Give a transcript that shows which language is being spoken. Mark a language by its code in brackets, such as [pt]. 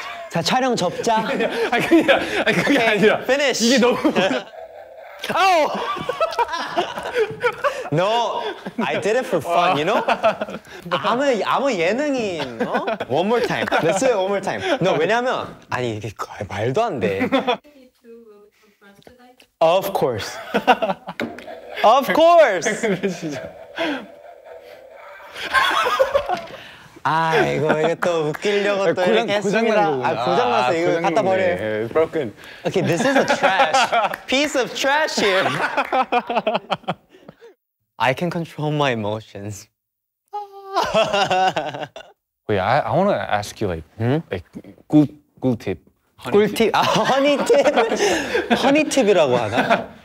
[ko] 자, 촬영 접자. 아니, 그게 [en] okay, [ko] 아니라. [en] Finish. [ko] 이게 너무... Oh! [en] No, I did it for fun, you know? I'm a 예능인, 어? One more time. Let's do it one more time. [ko] No, 왜냐면, 아니, 이게 말도 안 돼. [en] Of course. Of course! [ko] 아이고 이거 또 웃기려고 또 이렇게 했습니다. 아 고장 났어. 이거 갖다 버려. [en] Broken. Okay, this is a trash piece of trash here. I can control my emotions. Wait, I want to ask you like cool tip. Cool tip. Honey tip. Honey tip [ko] 이라고 하나?